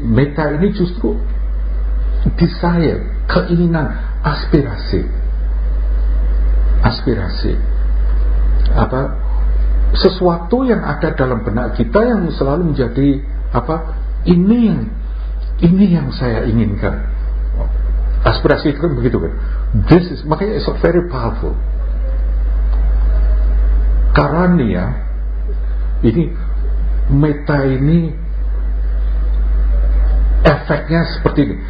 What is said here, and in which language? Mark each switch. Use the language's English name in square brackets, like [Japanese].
[Indonesian] Metta ini justru desire, keinginan, aspirasi. Aspirasi. Apa? Sesuatu yang ada dalam benak kita yang selalu menjadi apa? Ini yang saya inginkan. Aspirasi itu kan begitu kan. [English] This is makanya it's a very powerful. [Indonesian] Karania ini metta ini efeknya seperti ini.